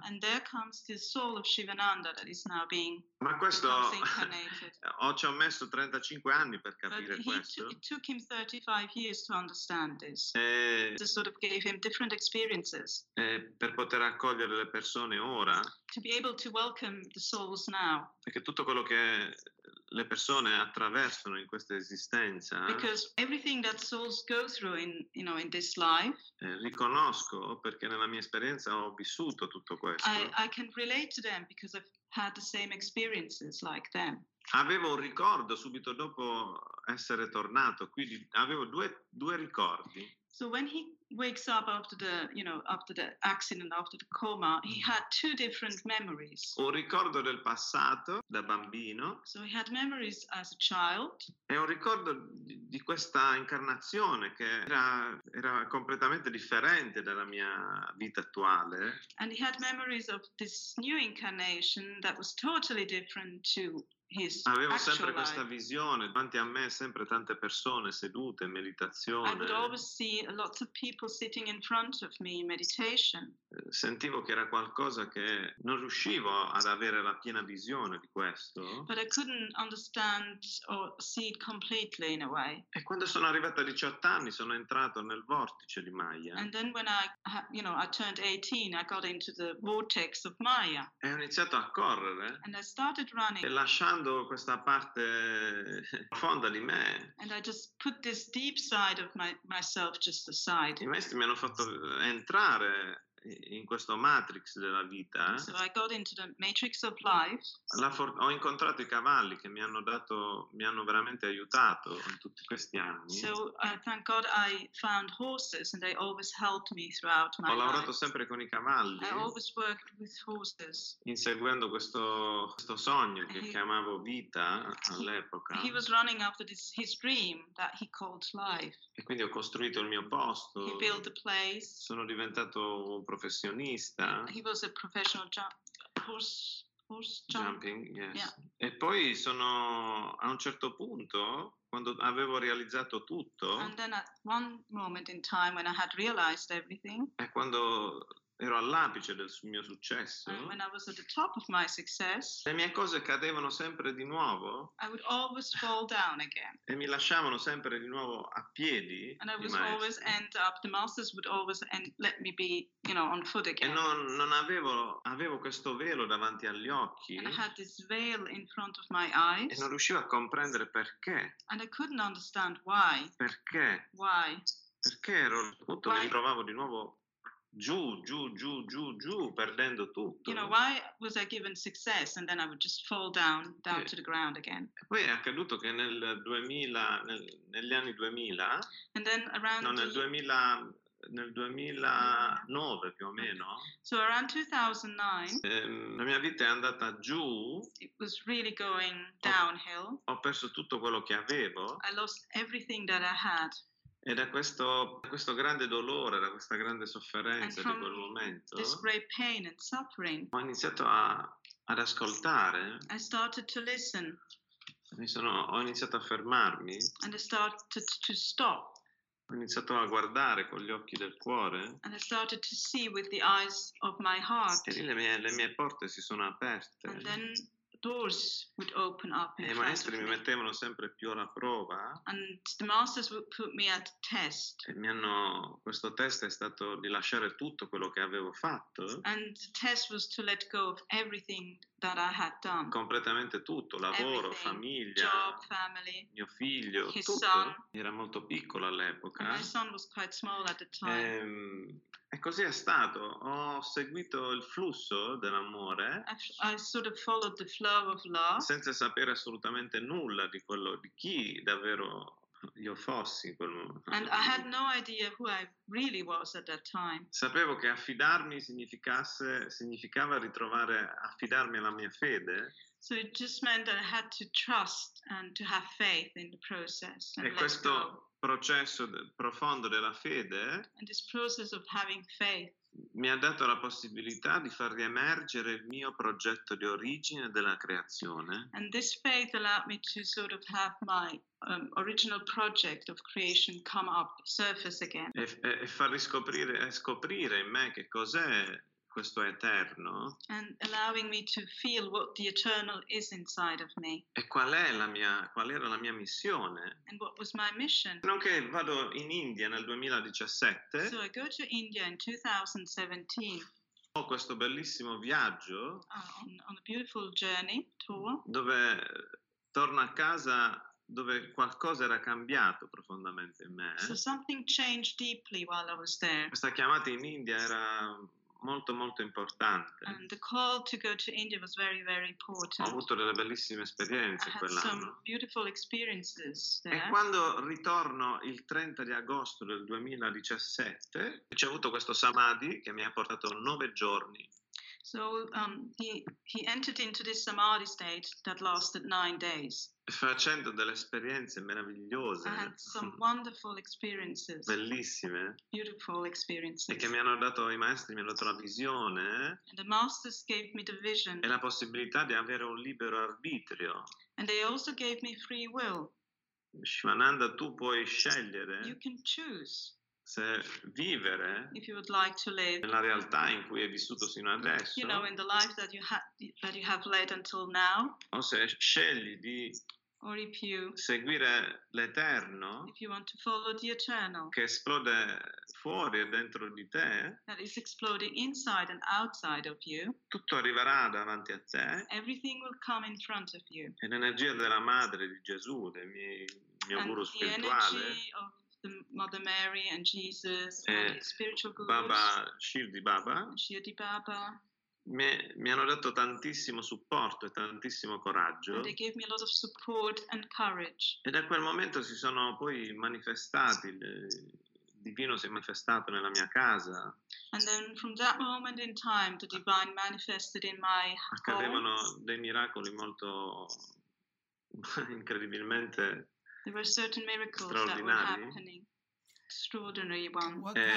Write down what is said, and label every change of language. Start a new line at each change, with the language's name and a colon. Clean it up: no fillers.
English: And there comes the soul of Shivananda that is now being.
Italian: Ma questo ci ho messo 35 anni per capire questo.
English: It took him 35 years to understand this. This sort of gave him different experiences.
Italian: Per poter accogliere le persone ora.
English: To be able to welcome the souls now.
Italian: Perché tutto quello che le persone attraversano in questa esistenza.
English: Because everything that souls go through in, you know, in this life.
Italian: Riconosco perché nella mia esperienza ho vissuto tutto questo.
English: I can relate to them because I've had the same experiences like them.
Italian: Avevo un ricordo subito dopo essere tornato, quindi avevo due ricordi.
English: So when he wakes up after the, you know, after the accident, after the coma, he had two different memories.
Italian: Un ricordo del passato da bambino.
English: So he had memories as a child.
Italian: E un ricordo di questa incarnazione che era completamente differente dalla mia vita attuale.
English: And he had memories of this new incarnation that was totally different to.
Italian: Avevo sempre questa visione davanti a me, sempre tante persone sedute in meditazione.
English: I would always see lots of people sitting in front of me in meditation.
Italian: Sentivo che era qualcosa che non riuscivo ad avere la piena visione di questo.
English: But I couldn't understand or see it completely in a way.
Italian: E quando sono arrivato a 18 anni sono entrato nel vortice di Maya.
English: And then when I, you know, I turned 18, I got into the vortex of Maya.
Italian: E ho iniziato a correre.
English: And I started running.
Italian: E lasciando questa parte profonda di me.
English: And I just put this deep side of myself just aside.
Italian: I maestri mi hanno fatto entrare in questo matrix della vita.
English: So I got into the matrix of life.
Italian: Ho incontrato i cavalli che mi hanno veramente aiutato in tutti questi anni.
English: So thank God I found horses and they always helped me throughout my life.
Italian: Ho lavorato sempre con i cavalli.
English: I always worked with horses.
Italian: Inseguendo questo sogno che chiamavo vita all'epoca.
English: He was running after his dream that he called life.
Italian: E quindi ho costruito il mio posto.
English: He built a place.
Italian: Sono diventato professionista.
English: He was a professional horse jumping. Jumping, yes.
Italian: Yeah. E poi sono a un certo punto quando avevo realizzato tutto.
English: And then at one moment in time when I had realized everything.
Italian: E quando ero all'apice del mio successo.
English: And when I was at the top of my success.
Italian: Le mie cose cadevano sempre di nuovo.
English: I would always fall down again.
Italian: E mi lasciavano sempre di nuovo a piedi.
English: And I would always end up, the masters would always end, let me be, you know, on foot again.
Italian: E non avevo questo velo davanti agli occhi.
English: And I had this veil in front of my eyes.
Italian: E non riuscivo a comprendere perché.
English: And I couldn't understand why.
Italian: Perché?
English: Why?
Italian: Perché ero appunto, mi ritrovavo di nuovo giù, perdendo tutto.
English: You know, why was I given success and then I would just fall down to the ground again?
Italian: Poi è accaduto che nel 2000, negli anni 2000,
English: and then around
Italian: nel 2009 più o meno.
English: So around 2009,
Italian: la mia vita è andata giù.
English: It was really going downhill.
Italian: Ho perso tutto quello che avevo.
English: I lost everything that I had.
Italian: E da questo grande dolore, da questa grande sofferenza di quel momento,
English: this great pain and suffering,
Italian: ho iniziato ad ascoltare.
English: I started to listen.
Italian: Ho iniziato a fermarmi.
English: And I started to stop.
Italian: Ho iniziato a guardare con gli occhi del cuore.
English: And I started to see with the eyes of my heart.
Italian: E lì le mie porte si sono aperte.
English: And then doors would open up.
Italian: E i maestri mi mettevano sempre più alla prova.
English: And the masters would put me at test.
Italian: E questo test è stato di lasciare tutto quello che avevo fatto.
English: And the test was to let go of everything that I had done.
Italian: Completamente tutto, lavoro, famiglia,
English: job, family,
Italian: mio figlio,
English: his
Italian: tutto.
English: Son.
Italian: Era molto piccolo all'epoca.
English: And my son was quite small at the time.
Italian: E così è stato. Ho seguito il flusso dell'amore.
English: I sort of followed the flow of love.
Italian: Senza sapere assolutamente nulla di quello di chi davvero io fossi in quel momento.
English: And I had no idea who I really was at that time.
Italian: Sapevo che affidarmi significava ritrovare affidarmi alla mia fede.
English: So it just meant that I had to trust and to have faith in the process.
Italian: E questo processo profondo della fede,
English: and this process of having faith,
Italian: mi ha dato la possibilità di far riemergere il mio progetto di origine della creazione.
English: And this faith allowed me to sort of have my original project of creation come up surface again.
Italian: E far scoprire in me che cos'è questo eterno.
English: And allowing me to feel what the eternal is inside of me.
Italian: E qual era la mia missione?
English: And what was my mission?
Italian: Nonché vado in India nel 2017.
English: So I go to India in 2017.
Italian: Ho questo bellissimo viaggio.
English: On a beautiful journey tour.
Italian: Dove torno a casa, dove qualcosa era cambiato profondamente in me.
English: So something changed deeply while I was there.
Italian: Questa chiamata in India era molto molto importante.
English: And the call to go to India was very very important.
Italian: Ho avuto delle bellissime esperienze quell'anno.
English: Some beautiful experiences there.
Italian: E quando ritorno il 30 di agosto del 2017, c'è avuto questo samadhi che mi ha portato 9 giorni.
English: So he entered into this samadhi state that lasted 9 days.
Italian: Facendo delle esperienze meravigliose.
English: I had some wonderful experiences.
Italian: Bellissime.
English: Beautiful experiences.
Italian: E che mi hanno dato i maestri, mi hanno dato la visione.
English: And the masters gave me the vision.
Italian: E la possibilità di avere un libero arbitrio.
English: And they also gave me free will.
Italian: Shivananda, tu puoi scegliere.
English: You can choose.
Italian: Se vivere,
English: if you would like to live,
Italian: nella realtà in cui hai vissuto sino adesso,
English: you know, in the life that you have led until now,
Italian: o se scegli di,
English: or if you,
Italian: seguire l'eterno,
English: if you want to follow the eternal,
Italian: che esplode fuori e dentro di te,
English: that is exploding inside and outside of you,
Italian: tutto arriverà davanti a te,
English: everything will come in front of you,
Italian: e l'energia della madre di Gesù, del mio guru spirituale,
English: the Mother Mary and Jesus, the spiritual gurus,
Italian: Baba Shirdi Baba,
English: Shirdi Baba,
Italian: mi hanno dato tantissimo supporto e tantissimo coraggio.
English: And they gave me a lot of support and courage.
Italian: E da quel momento si sono poi manifestati, il divino si è manifestato nella mia casa.
English: And then from that moment in time, the divine manifested in my home.
Italian: Accadevano dei miracoli molto incredibilmente.
English: There were certain miracles that were happening, extraordinary ones.